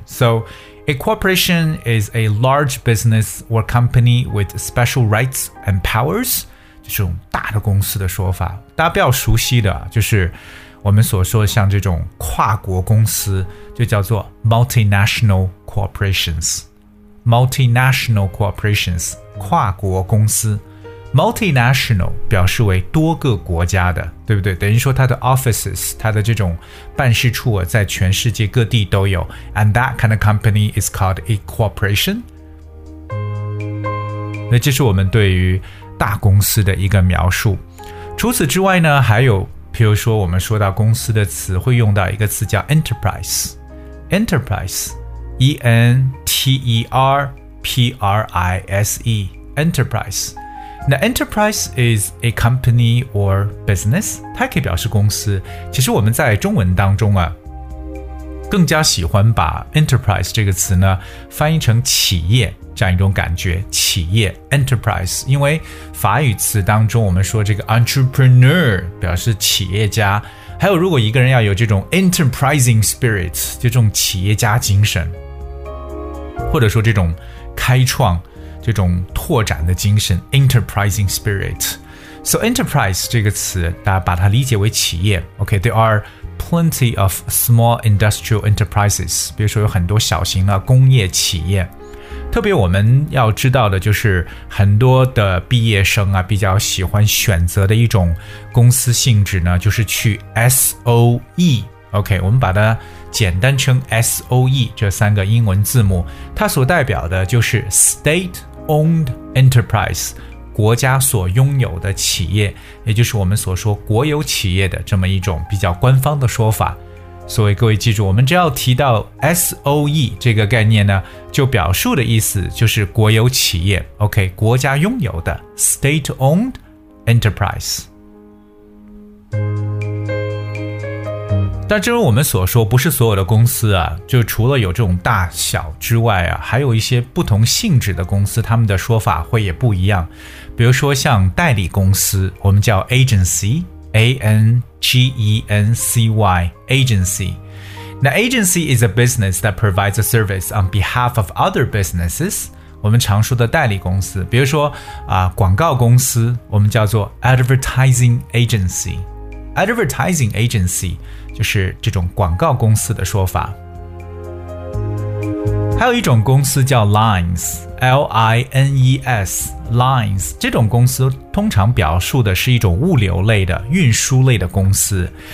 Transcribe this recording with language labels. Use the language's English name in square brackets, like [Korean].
[English] So a corporation is a large business or company with special rights and powers， [Chinese] 这种大的公司的说法大家比较熟悉的就是我们所说的像这种跨国公司就叫做 multinational corporations， multinational corporations 跨国公司。 multinational 表示为多个国家的，对不对？等于说它的 offices， 它的这种办事处在全世界各地都有。 [English] And that kind of company is called a corporation。 [Chinese] 那这是我们对于大公司的一个描述。除此之外呢，还有比如说我们说到公司的词会用到一个词叫 enterprise， enterprise， E-N-T-E-R-P-R-I-S-E， enterprise。 [English] 那 enterprise is a company or business， [Chinese] 它可以表示公司。其实我们在中文当中啊，更加喜欢把 enterprise 这个词呢翻译成企业，这样一种感觉，企业 enterprise。因为法语词当中我们说这个 entrepreneur 表示企业家，还有如果一个人要有这种 enterprising spirit， 就这种企业家精神，或者说这种开创这种拓展的精神， enterprising spirit。 So enterprise 这个词大家把它理解为企业。 [English] OK， there areplenty of small industrial enterprises， [Chinese] 比如说有很多小型的工业企业。特别我们要知道的就是很多的毕业生啊比较喜欢选择的一种公司性质呢，就是去 SOE。 OK， 我们把它简单称 SOE， 这三个英文字母它所代表的就是 State Owned Enterprise， 国家所拥有的企业，也就是我们所说国有企业的这么一种比较官方的说法。所以各位记住，我们只要提到 SOE 这个概念呢，就表述的意思就是国有企业。 OK， 国家拥有的 State Owned Enterprise。但正如我们所说，不是所有的公司啊，就除了有这种大小之外啊，还有一些不同性质的公司，他们的说法会也不一样。比如说像代理公司，我们叫 Agency，A-N-G-E-N-C-Y, agency. [English] Now, agency is a business that provides a service on behalf of other businesses. [Chinese] 我们常说的代理公司，比如说、广告公司，我们叫做 advertising agency. Advertising agency 就是这种广告公司的说法。还有一种公司叫 lines, L-I-N-E-S, lines, 这种公司通常表述的是一种物流类的运输类的公司。